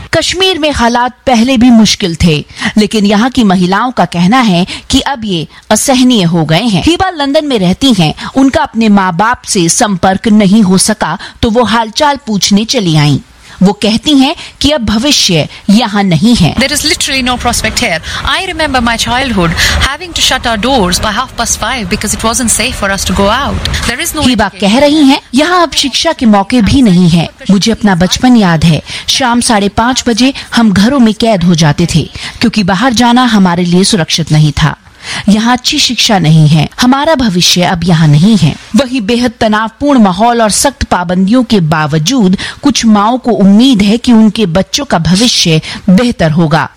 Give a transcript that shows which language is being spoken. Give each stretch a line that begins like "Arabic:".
Hindi: कश्मीर में हालात पहले भी मुश्किल थे, लेकिन यहाँ की महिलाओं का कहना है कि अब ये असहनीय हो गए हैं। हिबा लंदन में रहती हैं, उनका अपने माँ बाप से संपर्क नहीं हो सका तो वो हालचाल पूछने चली आईं। वो कहती हैं कि अब भविष्य यहाँ नहीं है।
English: There is literally no prospect here. I remember my childhood having to shut our doors by 5:30 because it wasn't safe for us to go out. There is no.
Hindi: Hiba कह रही हैं, यहाँ अब शिक्षा के मौके भी नहीं हैं। मुझे अपना बचपन याद है, शाम 5:30 बजे हम घरों में कैद हो जाते थे क्योंकि बाहर जाना हमारे लिए सुरक्षित नहीं था। यहाँ अच्छी शिक्षा नहीं है, हमारा भविष्य अब यहाँ नहीं है। वही बेहद तनावपूर्ण माहौल और सख्त पाबंदियों के बावजूद कुछ माओं को उम्मीद है कि उनके बच्चों का भविष्य बेहतर होगा।